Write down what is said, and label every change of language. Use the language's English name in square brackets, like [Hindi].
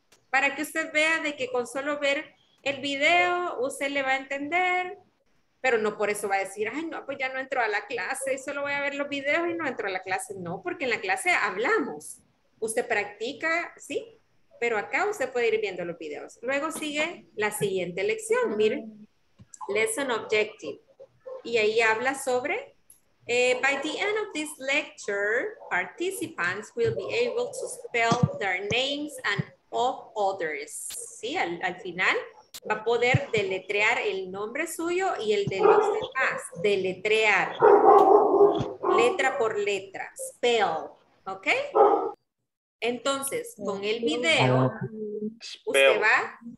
[Spanish] Para que usted vea de que con solo ver el video, usted le va a entender. Pero no por eso va a decir, ay, no, pues ya no entro a la clase, solo voy a ver los videos y no entro a la clase. No, porque en la clase hablamos. Usted practica, ¿sí? Pero acá usted puede ir viendo los videos. Luego sigue la siguiente lección, miren. [English] Lesson objective. [Spanish] Y ahí habla sobre, [English] by the end of this lecture, participants will be able to spell their names and of others. [Spanish] ¿Sí? Al final va a poder deletrear el nombre suyo y el de los demás. Deletrear. Letra por letra. Spell. ¿Ok? Entonces, con el video, usted va.